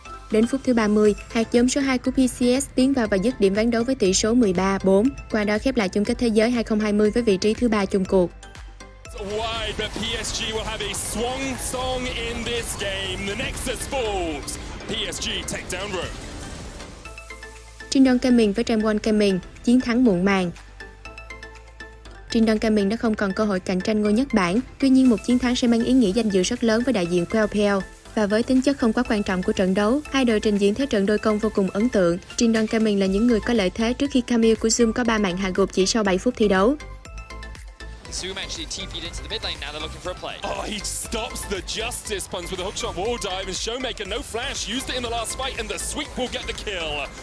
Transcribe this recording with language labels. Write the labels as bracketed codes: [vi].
[vi] Đến phút thứ 30, hạt giống số 2 của PCS tiến vào và dứt điểm ván đấu với tỷ số 13-4. Qua đó khép lại chung kết thế giới 2020 với vị trí thứ 3 chung cuộc. [en] Wide, but PSG will have a swan song in this game. The Nexus falls. PSG take down Rogue. [vi] Trindon Gaming với Tramwon Gaming, chiến thắng muộn màng. Trindon Gaming đã không còn cơ hội cạnh tranh ngôi nhất bảng, tuy nhiên một chiến thắng sẽ mang ý nghĩa danh dự rất lớn với đại diện QLPL. Và với tính chất không quá quan trọng của trận đấu, hai đội trình diễn thế trận đôi công vô cùng ấn tượng. Trindon Gaming là những người có lợi thế trước khi Camille của Zoom có 3 mạng hạ gục chỉ sau 7 phút thi đấu. [en] Zoom actually TP'd into the mid lane, now they're looking for a play. Oh, he stops the Justice Puns with a hookshot wall dive, and Showmaker, no flash, used it in the last fight, and the sweep will get the kill.